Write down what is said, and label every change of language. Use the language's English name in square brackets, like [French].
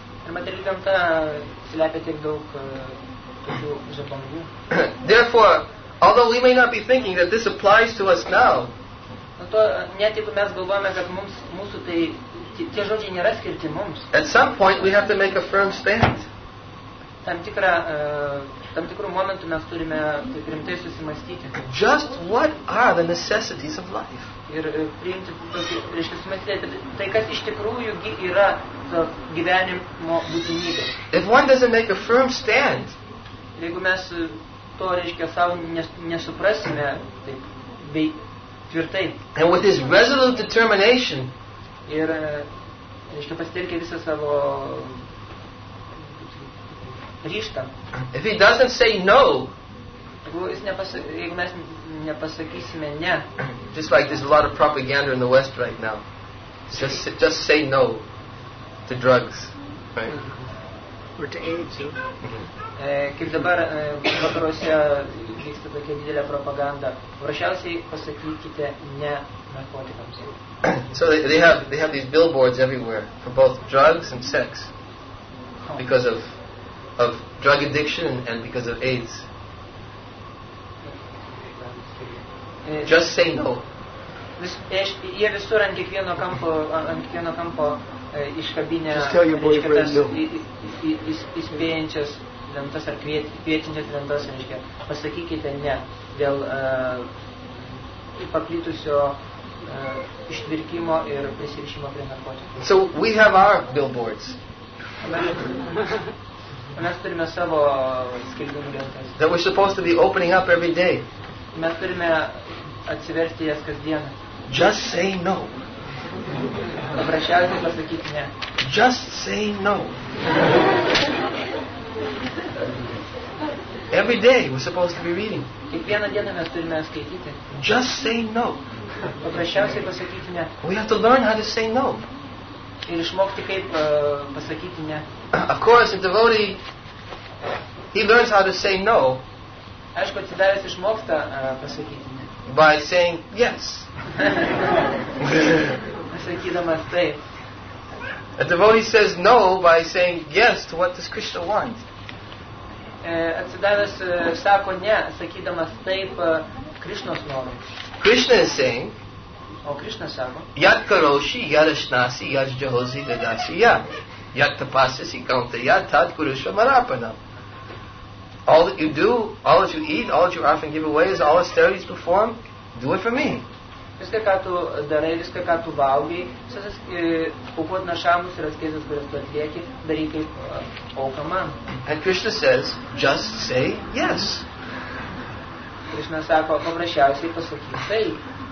[English] Therefore, although we may not be thinking that this applies to us now, at some point we have to make a firm stand. [Lithuanian] Tam tikrų momentų mes turime rimtai susimastyti. [English] Just what are the necessities of life? [Lithuanian] Ir priimti tokį, reiškia, susimastyti, tai kas iš tikrųjų yra to gyvenimo būtinybė. [English] If one doesn't make a firm stand, [Lithuanian] jeigu mes to, reiškia, savo nesuprasime taip bei tvirtai, [English] and with his resolute determination, [Lithuanian] ir, reiškia, pasitelkia visą savo ryštą. [English] If he doesn't say no, [Lithuanian] jeigu mes nepasakysime ne, [English] just like there's a lot of propaganda in the West right now, just say no to drugs, right? Or to AIDS. [Lithuanian] Kaip dabar vakaruose vyksta tokia didelė propaganda, paprasčiausiai pasakykite ne narkotikams. [English] So they have these billboards everywhere for both drugs and sex because of drug addiction and because of AIDS. Just say no. [Lithuanian] Jie visur ant kiekvieno kampo iškabinę įspėjančias lentas ar kviečiančias lentas, reiškia, pasakykite ne dėl paplitusio ištvirkimo ir prisirišimo prie narkotikų. [English] So we have our billboards. [Lithuanian] Mes turime savo skelbimų lentas. [English] That we're supposed to be opening up every day. [Lithuanian] Mes turime atsiversti jas kasdien. [English] Just say no. [Lithuanian] Paprasčiausiai pasakyti ne. [English] Just say no. Every day we're supposed to be reading. [Lithuanian] Kiekvieną dieną mes turime skaityti. [English] Just say no. [Lithuanian] Paprasčiausiai pasakyti ne. [English] We have to learn how to say no. [Lithuanian] Ir išmokti, kaip pasakyti ne. [English] Of course, a devotee, he learns how to say no. [Lithuanian] Aišku, atsidavęs išmoksta pasakyti ne. [English] By saying yes. [Lithuanian] Pasakydamas taip. [English] A devotee says no by saying yes to what does Krishna want. [Lithuanian] Atsidavęs sako ne, sakydamas taip Krishnos norams. [English] Krishna is saying, [Lithuanian] O Krishna sako. [Sanskrit] Yat karoshi, yat ashnasi, yat jahosi dadasi, ya. Yat tapasasi kauntaya, tat kurusha marapanam. [English] All that you do, all that you eat, all that you often give away, is all austerities performed, do it for me. [Lithuanian] Viską, ką tu darai, viską, ką tu valgai, visas aukot našamus ir askezas, kurias tu atlieki, daryk kaip auką man. [English] And Krishna says, just say yes. [Lithuanian] Krishna sako, paprasčiausiai pasakyk taip.